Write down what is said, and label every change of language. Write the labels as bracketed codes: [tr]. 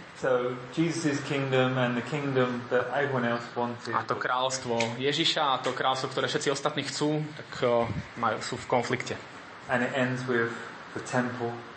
[en] So Jesus' kingdom and the kingdom that everyone else wanted. [sk] A to kráľstvo Ježiša a to kráľstvo, ktoré všetci ostatní chcú, tak sú v konflikte. [en] And it ends with the temple.